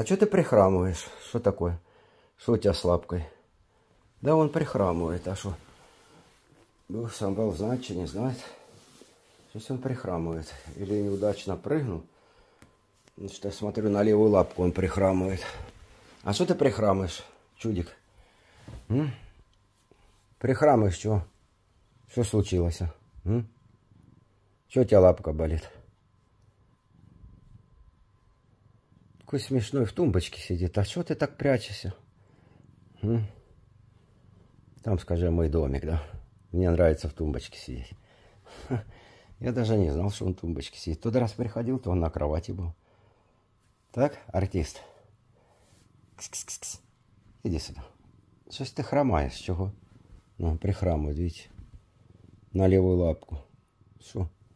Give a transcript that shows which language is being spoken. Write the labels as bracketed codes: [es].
[ru] А что ты прихрамываешь? Что такое? Что у тебя с лапкой? Да он прихрамывает, а что? Ну, сам был знать, что не знает. Сейчас он прихрамывает. Или неудачно прыгнул. Значит, я смотрю на левую лапку, он прихрамывает. [uk] А що ти прихрамуєш, чудик? Прихрамуєш що? Що случилося? Що у тебе лапка болить? Такий смішний в тумбочці сидить. А що ти так прячешся? Там, скажи, мій домик, да? Мені подобається в тумбочці сидіти. [ru] Я даже не знал, что он в тумбочке сидит. Тот раз приходил, то он на кровати был. Так, артист. Кс-кс-кс. Иди сюда. Что ж ты хромаешь? Чего? Ну, прихрамывает, видите. На левую лапку. Что?